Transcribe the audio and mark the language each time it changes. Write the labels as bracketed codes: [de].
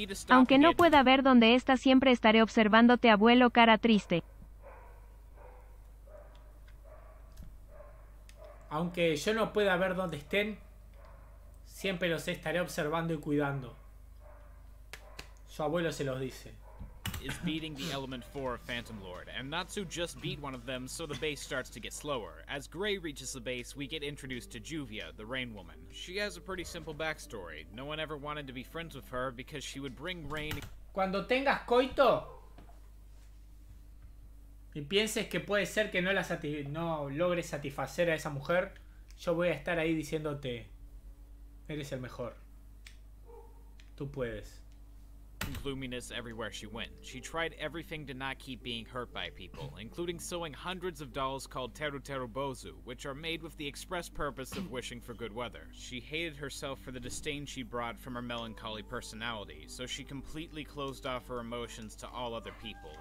[es] Aunque no pueda ver dónde estás, siempre estaré observándote, abuelo cara triste. Aunque yo no pueda ver dónde estén, siempre los estaré observando y cuidando. Su abuelo se los dice. [en] Is beating the element 4 of Phantom Lord, and Natsu just beat one of them, so the base starts to get slower. As Gray reaches the base, we get introduced to Juvia, the Rain Woman. She has a pretty simple backstory. No one ever wanted to be friends with her because she would bring rain. [es] Cuando tengas coito y pienses que puede ser que no logres satisfacer a esa mujer, yo voy a estar ahí diciéndote, eres el mejor. Tú puedes. [en] Gloominess everywhere she went. She tried everything to not keep being hurt by people, including sewing hundreds of dolls called Teru Teru Bozu, which are made with the express purpose of wishing for good weather. She hated herself for the disdain she brought from her melancholy personality, so she completely closed off her emotions to all other people.